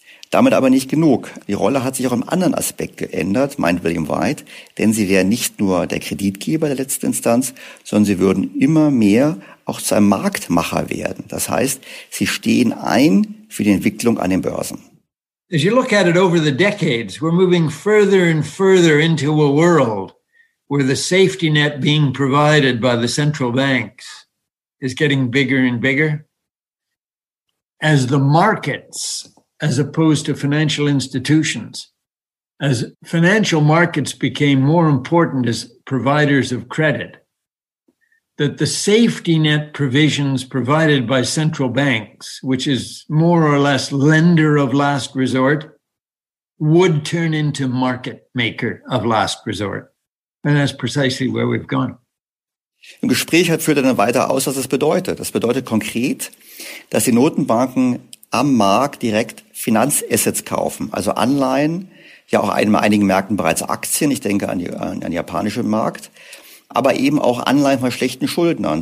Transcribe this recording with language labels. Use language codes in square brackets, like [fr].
[de] Damit aber nicht genug. Die Rolle hat sich auch im anderen Aspekt geändert, meint William White, denn sie wären nicht nur der Kreditgeber der letzten Instanz, sondern sie würden immer mehr auch zu einem Marktmacher werden. Das heißt, sie stehen ein für die Entwicklung an den Börsen. [en] As you look at it over the decades, we're moving further and further into a world where the safety net being provided by the central banks is getting bigger and bigger. As the markets, as opposed to financial institutions, as financial markets became more important as providers of credit, that the safety net provisions provided by central banks, which is more or less lender of last resort, would turn into market maker of last resort. And that's precisely where we've gone. [de] Im Gespräch führt er dann weiter aus, was das bedeutet. Das bedeutet konkret, dass die Notenbanken am Markt direkt Finanzassets kaufen, also Anleihen, ja auch in einigen Märkten bereits Aktien, ich denke an den japanischen Markt, aber eben auch Anleihen von schlechten Schuldnern.